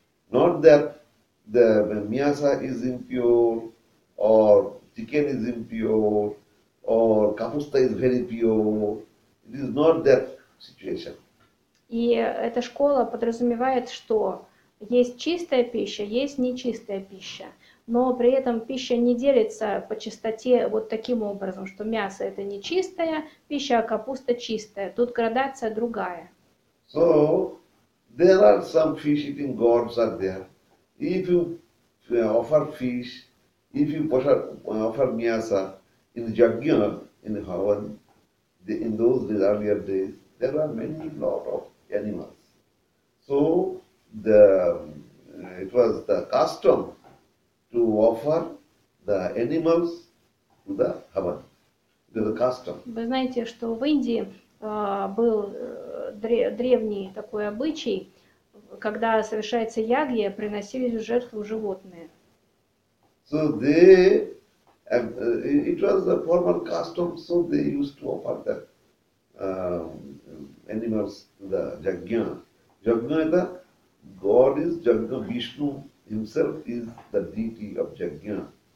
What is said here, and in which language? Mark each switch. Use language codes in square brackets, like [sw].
[en] Not that the miasa is impure, or chicken is impure, or kapusta is very pure. It is not that situation. [ru] И эта школа подразумевает, что есть чистая пища, есть нечистая пища. Но при этом пища не делится по чистоте вот таким образом, что мясо это нечистая пища, а капуста чистая. Тут градация другая. [en] So, there are some fish-eating gods are there. If you offer fish, if you offer miasa in jagya, in havan, in those days, earlier days, there are many lot of animals. So, it was the custom to offer the animals to the Havan. It is a custom. [ru] Вы знаете, что в Индии был древний такой обычай, когда совершается ягья, приносились в жертву животные. [en] So they, it was a formal custom, so they used to offer the animals to the Jagya. Jagya, the god is Jagya, Vishnu himself is the deity of Jagya.